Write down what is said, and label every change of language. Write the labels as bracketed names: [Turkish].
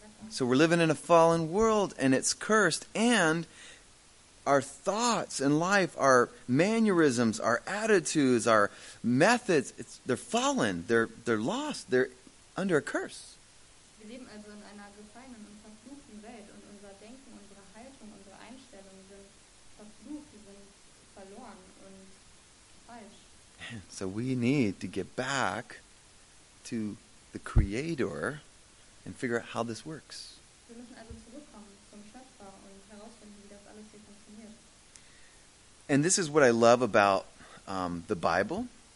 [English] So we're living in a fallen world and it's cursed, and our thoughts and life, our mannerisms, our attitudes, our methods, they're fallen, they're lost, they're under a curse. [German] Wir leben also in einer gefallenen und verfluchten Welt, und unser Denken, unsere Haltung, unsere Einstellung sind verflucht, die sind verloren und falsch. [English] So we need to get back to the Creator and figure out how this works. [German] Wir müssen also zurückkommen zum Schöpfer und herausfinden, wie das alles hier funktioniert. [English] And this is what I love about the Bible.